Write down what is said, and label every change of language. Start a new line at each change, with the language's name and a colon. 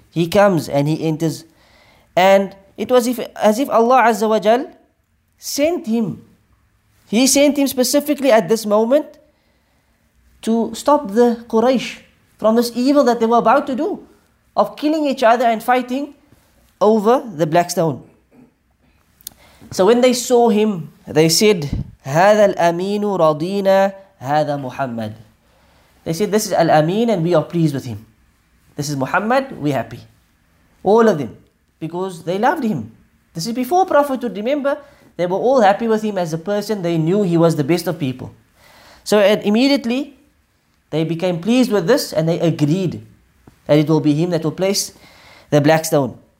English: He comes and he enters. And it was as if Allah Azza wa Jal sent him. He sent him specifically at this moment to stop the Quraysh from this evil that they were about to do of killing each other and fighting over the black stone. So when they saw him, they said,
Arabic: هذا الأمين رضينا هذا محمد.
English: They said, this is Al-Amin and we are pleased with him. This is Muhammad, we happy. All of them, because they loved him. This is before Prophethood, remember, they were all happy with him as a person, they knew he was the best of people. So immediately, they became pleased with this and they agreed that it will be him that will place the black stone.